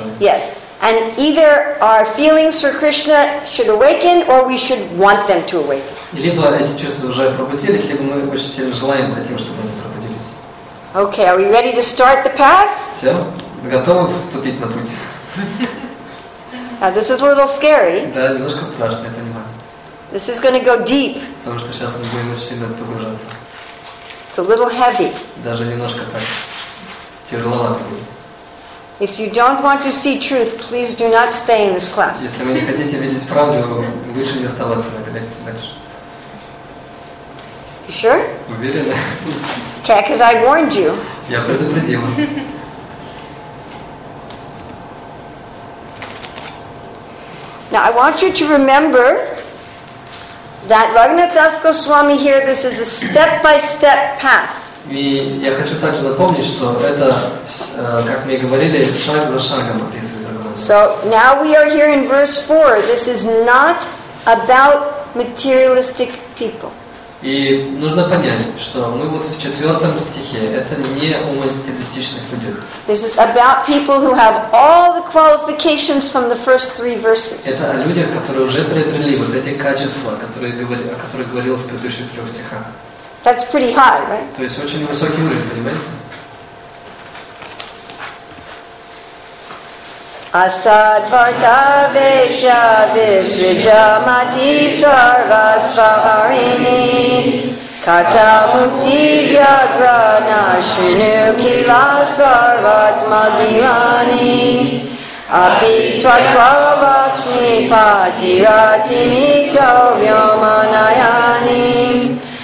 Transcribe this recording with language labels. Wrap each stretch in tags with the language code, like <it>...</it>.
<en>Yes, and either our feelings for Krishna should awaken, or we should want them to awaken.</en> <ru>Либо эти чувства уже пробудились, либо мы очень сильно желаем, хотим, чтобы они пробудились.</ru> <en>Okay, are we ready to start the path?</en> <ru>Все, готовы вступить на путь.</ru> <en>Now this is a little scary.</en> <ru>Да, немножко страшно, я понимаю.</ru> <en>This is going to go deep.</en> <ru>Потому что сейчас мы будем очень сильно погружаться.</ru> <en>It's a little heavy.</en> <ru>Даже немножко так. Тяжеловато будет.</ru> <en>If you don't want to see truth, please do not stay in this class.</en> <ru>Если вы не хотите видеть правду, лучше не оставаться в этой лекции дальше.</ru> <en>You sure?</en> <ru>Уверена.</ru> <en>Okay, because I warned you.</en> <ru>Я предупредила.</ru> <en>Now I want you to remember that Raghunath Das Goswami here, this is a step-by-step path.</en> <ru>И я хочу также напомнить, что это, как мы и говорили, шаг за шагом описывает.</ru> <en>So now we are here in verse 4. This is not about materialistic people.</en> <ru>И нужно понять, что мы вот в четвертом стихе, это не о материалистичных людях.</ru> <en>This is about people who have all the qualifications from the first three verses.</en> <ru>Это о людях, которые уже приобрели вот эти качества, о которых говорилось в предыдущих трех стихах.</ru> <en>That's pretty high, right?</en> <ru>То есть очень высокий уровень, понимаете?</ru> <sa>Asadvarta Vesha Visrijamati Sarvasvaharini Kata Mukti Vyagrana Shrinukila Sarvatma Gilani Abitva Tvavakshmi Patirati Mito Vyomanayani</sa>